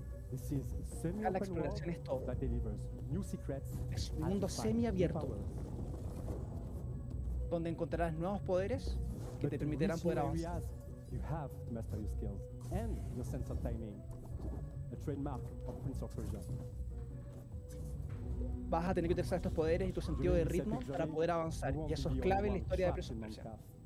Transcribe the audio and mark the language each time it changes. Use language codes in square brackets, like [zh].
[en] This is semi-open world that delivers new secrets. [es] Es un mundo semiabierto donde encontrarás nuevos poderes que [en] but [es] te permitirán poder avanzar. [en] Areas, you have to master your skills and your sense of timing, a trademark of Prince of Persia. [es] Vas a tener que utilizar estos poderes y tu sentido de ritmo para poder avanzar. Y eso es clave en la historia de Prince of Persia.